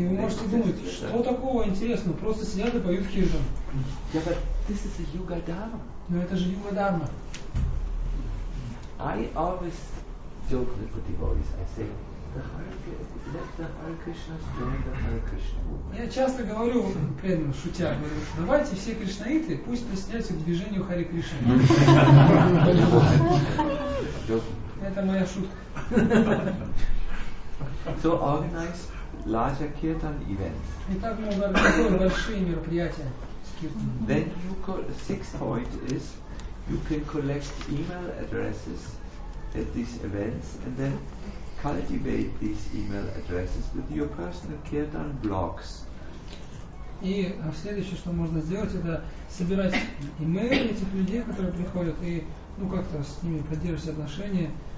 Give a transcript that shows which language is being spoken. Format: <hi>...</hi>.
<ru>И вы можете думать, что такого интересного? Просто сидят и поют киржан.</ru> <en>Yeah, but this is a yuga dharma.</en> <ru>Но это же юга дхарма.</ru> <en>I always joke with the devotees. I say, let the Hare Krishna join the Hare Krishna movement.</en> <ru>Я часто говорю преданным, шутя, говорю, давайте все кришнаиты пусть присоединяются к движению Харе Кришны. Это моя шутка.</ru> <en>So organize larger kirtan events.</en> <ru>Итак, мы организуем большие мероприятия.</ru> <en>Then you sixth point is you can collect email addresses at these events and then cultivate these email addresses with your personal kirtan blogs.</en> <ru>И следующее, что можно сделать, это собирать имейлы этих людей, которые приходят, и ну как-то с ними поддерживать отношения.</ru>